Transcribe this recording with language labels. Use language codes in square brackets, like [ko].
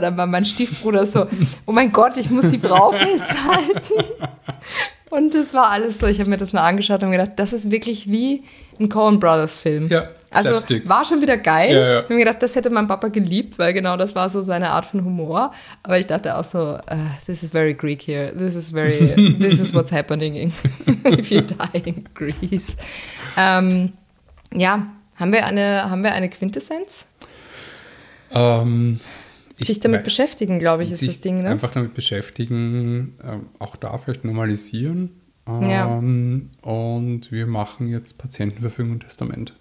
[de] Dann war mein Stiefbruder so, oh mein Gott, ich muss die Frau festhalten. Und das war alles so. Ich habe mir das mal angeschaut und gedacht, das ist wirklich wie ein Coen Brothers Film. Ja, also Slapstick. War schon wieder geil. Ja, ja. Ich habe mir gedacht, das hätte mein Papa geliebt, weil genau das war so seine Art von Humor. Aber ich dachte auch so, [en] this is very Greek here. This is what's happening if you die in Greece. [de] Ja, haben wir eine Quintessenz? Sich damit beschäftigen, glaube ich, ist das Ding, ne? Einfach damit beschäftigen, auch da vielleicht normalisieren. Ja. Und wir machen jetzt Patientenverfügung und Testament.